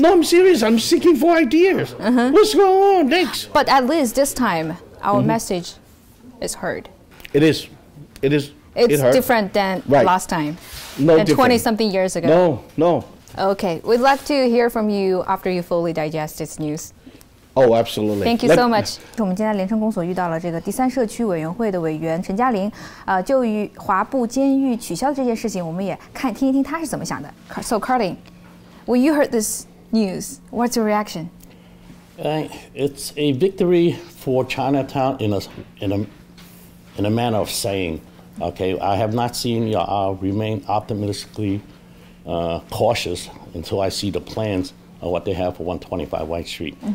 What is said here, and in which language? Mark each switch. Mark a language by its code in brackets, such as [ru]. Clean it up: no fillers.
[en] No, I'm serious. I'm seeking for ideas. What's going on next? But at least this time, our message is heard. It is. It is. It's different than last time. No than different. 20 something years ago. No. Okay, we'd love to hear from you after you fully digest this news. Oh, absolutely. Thank you so much. [zh] 我们今天联城公所遇到了这个第三社区委员会的委员陈嘉玲，就于华埠监狱取消的这件事情，我们也看听一听他是怎么想的。 [en] So, Carlin, when you heard this news, what's your reaction? It's a victory for Chinatown in a manner of saying, okay, I have not seen you. I'll remain optimistically. Cautious until I see the plans of what they have for 125 White Street.